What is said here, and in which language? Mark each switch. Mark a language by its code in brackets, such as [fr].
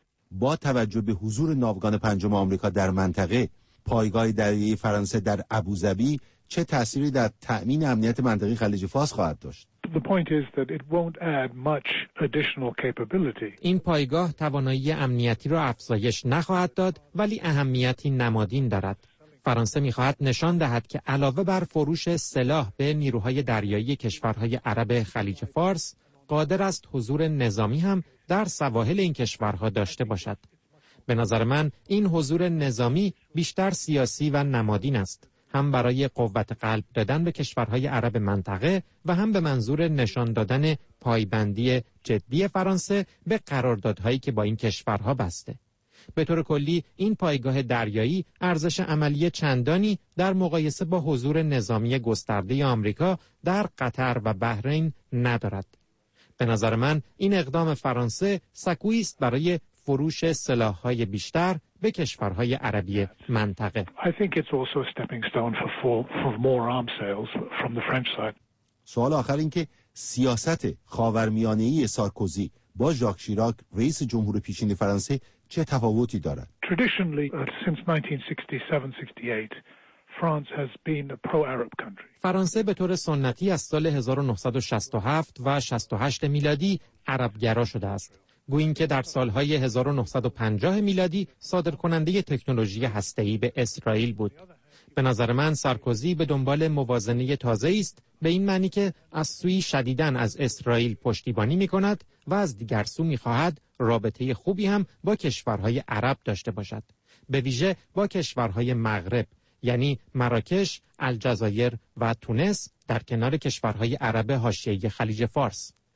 [fa] با توجه به حضور ناوگان پنجم آمریکا در منطقه، پایگاه دریایی فرانسه در ابوظبی چه تأثیری در تأمین امنیت منطقه خلیج فارس خواهد داشت؟ [en] The point is that it won't add much additional capability. [fa] این پایگاه توانایی امنیتی را افزایش نخواهد داد، ولی اهمیتی نمادین دارد. فرانسه می‌خواهد نشان دهد که علاوه بر فروش سلاح به نیروهای دریایی کشورهای عرب خلیج فارس، قادر است حضور نظامی هم در سواحل این کشورها داشته باشد. به نظر من این حضور نظامی بیشتر سیاسی و نمادین است، هم برای قوت قلب دادن به کشورهای عرب منطقه و هم به منظور نشان دادن پایبندی جدی فرانسه به قراردادهایی که با این کشورها بسته. به طور کلی این پایگاه دریایی ارزش عملی چندانی در مقایسه با حضور نظامی گسترده آمریکا در قطر و بحرین ندارد. به نظر من این اقدام فرانسه سکویی است برای فروش سلاح‌های بیشتر به کشورهای عربی منطقه. [en] I think it's also a stepping stone for more arms sales from the French side. [fa] سوال آخر این که سیاست خاورمیانه‌ای سارکوزی با ژاک شیراک رئیس جمهور پیشین فرانسه چه تفاوتی دارد؟ [en] Traditionally since 1967-68 France has been a pro-Arab country. [fa] فرانسه به طور سنتی از سال 1967 و 68 میلادی عرب‌گرا شده است. گوین که در سالهای 1950 میلادی صادرکننده تکنولوژی هسته‌ای به اسرائیل بود. به نظر من سارکوزی به دنبال موازنه تازه است، به این معنی که از سوی شدیداً از اسرائیل پشتیبانی می‌کند و از دیگر سو می‌خواهد رابطه خوبی هم با کشورهای عرب داشته باشد، به ویژه با کشورهای مغرب، یعنی مراکش، الجزایر و تونس در کنار کشورهای عرب حاشیه خلیج فارس.